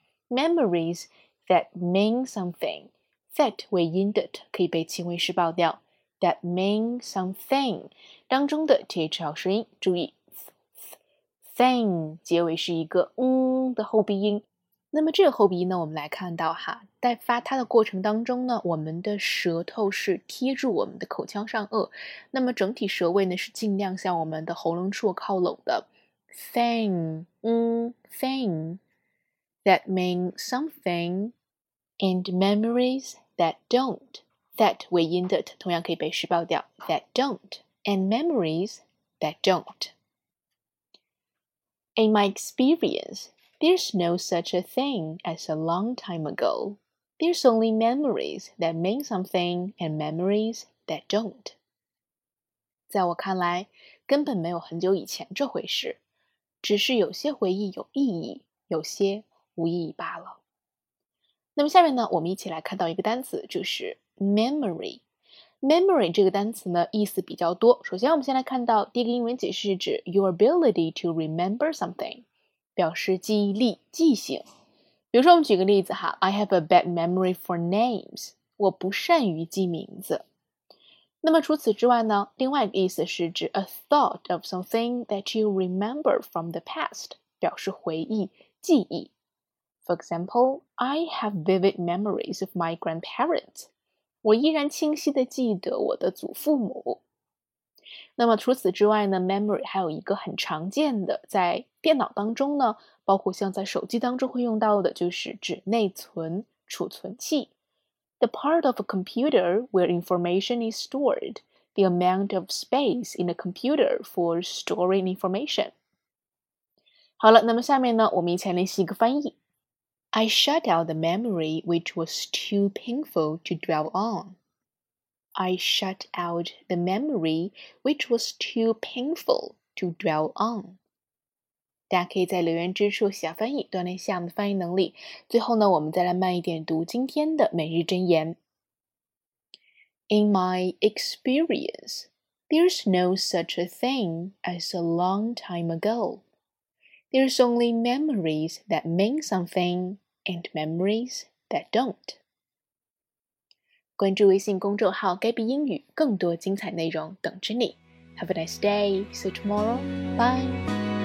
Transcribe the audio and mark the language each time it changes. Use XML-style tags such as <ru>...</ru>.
<en>memories that mean something.</en> <zh>That 尾音的 t 可以被轻微式爆掉。</zh> <en>That mean something</en> <zh>当中的 th 小舌音，注意</zh> <en>thing</en> <zh>结尾是一个的后鼻音。那么这个后鼻音呢，我们来看到哈，在发它的过程当中呢，我们的舌头是贴住我们的口腔上颚，那么整体舌位呢是尽量向我们的喉咙处靠拢的。</zh> <en>Thing, thing that mean something and memories that don't.</en> <zh>That 尾音的 t 同样可以被释爆掉。</zh> <en>That don't and memories that don't. In my experience. There's no such a thing as a long time ago. There's only memories that mean something and memories that don't.</en> <zh>在我看来，根本没有很久以前这回事，只是有些回忆有意义，有些无意义罢了。那么下面呢，我们一起来看到一个单词，就是 memory。 Memory 这个单词呢，意思比较多。首先，我们先来看到第一个英文解释，是指</zh> <en>your ability to remember something.</en> <zh>表示记忆力、记性。比如说我们举个例子哈，</zh> <en>I have a bad memory for names，</en> <zh>我不善于记名字。那么除此之外呢，另外一个意思是指</zh> <en>a thought of something that you remember from the past，</en> <zh>表示回忆、记忆。</zh> <en>For example, I have vivid memories of my grandparents，</en> <zh>我依然清晰地记得我的祖父母。那么除此之外呢， memory 还有一个很常见的在电脑当中呢，包括像在手机当中会用到的，就是指内存、储存器。</zh> <en>The part of a computer where information is stored. The amount of space in a computer for storing information.</en> <zh>好了，那么下面呢，我们一起来练习一个翻译。</zh> <en>I shut out the memory which was too painful to dwell on. I shut out the memory which was too painful to dwell on.</en> <zh>大家可以在留言之处写翻译，锻炼一下我们的翻译能力。最后呢，我们再来慢一点读今天的每日箴言。</zh> <en>In my experience, there's no such a thing as a long time ago. There's only memories that mean something and memories that don't.</en> <zh>关注微信公众号 Gabby 英语，更多精彩内容等着你。</zh> <en>Have a nice day. See you tomorrow. Bye.</en>